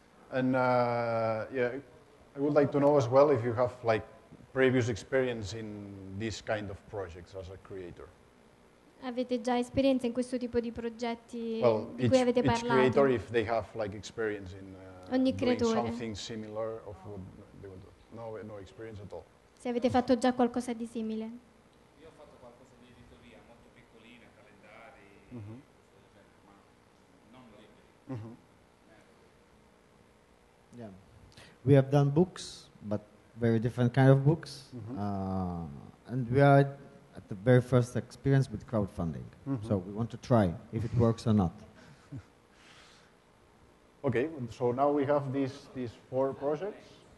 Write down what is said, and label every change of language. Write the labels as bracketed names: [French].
[English] And yeah, I would like to know as well if you have like previous experience in this kind of projects as a creator. [Italian] Avete già esperienza in questo tipo di progetti di cui avete parlato? [English] Each creator, if they have like experience in [Italian] ogni creatore. [English] Doing something similar, of what they would do. No experience at all. [Italian] Se avete fatto già qualcosa di simile? Io ho fatto qualcosa di editoria, molto piccolina, calendari, ma non libri. [English] Yeah. We have done books, but very different kind of books, and we are at the very first experience with crowdfunding, so we want to try if it works or not. Okay, so now we have these four projects.